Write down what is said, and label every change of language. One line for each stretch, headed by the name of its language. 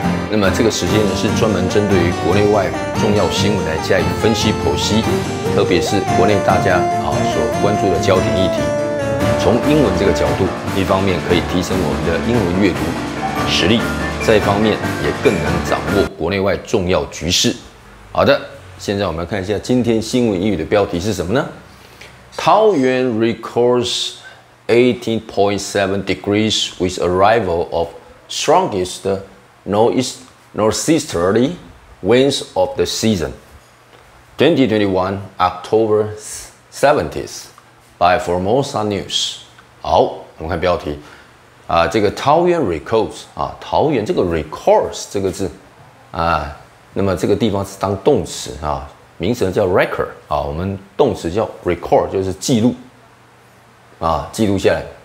Chinese: 那么这个时间呢，是专门针对于国内外重要新闻来加以分析剖析，特别是国内大家所关注的焦点议题，从英文这个角度，一方面可以提升我们的英文阅读实力，再一方面也更能掌握国内外重要局势。好的，现在我们来看一下今天新闻英语的标题是什么呢？
English: 桃园 records18.7 degrees with arrival of strongest northeasterly winds of the season. 2021 October 70th by Formosa News.
Chinese: 好，我们看标题。这个桃园 records, 桃园这个 records 这个字。那么这个地方是当动词啊，名词叫 record, 我们动词叫 record, 就是记录。记录下来。